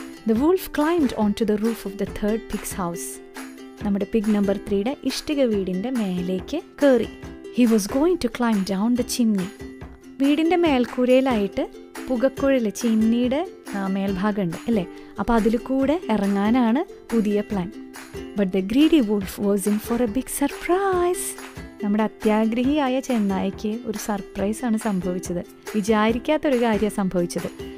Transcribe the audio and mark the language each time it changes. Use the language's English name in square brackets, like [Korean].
[English] The wolf climbed onto the roof of the third pig's house. [Malayalam] നമ്മുടെ pig number 3 ഇഷ്ടിക വീടിൻ്റെ മേലേക്ക് കയറി. [English] He was going to climb down the chimney. [Malayalam] വീടിൻ്റെ മേൽക്കൂരയിലായിട്ട് പുകക്കുഴൽ, ചിമ്മിയുടെ മേൽഭാഗം ഉണ്ട് അല്ലേ. അപ്പോൾ അതിൽ കൂടെ ഇറങ്ങാനാണ് പുതിയ plan. [English] But the greedy wolf was in for a big surprise. [Malayalam] നമ്മുടെ അത്യാഗ്രഹിയായ ചെന്നായിക്ക് ഒരു സർപ്രൈസാണ് സംഭവിച്ചത്, വിചാരിക്കാത്തൊരു കാര്യമാണ് സംഭവിച്ചത്.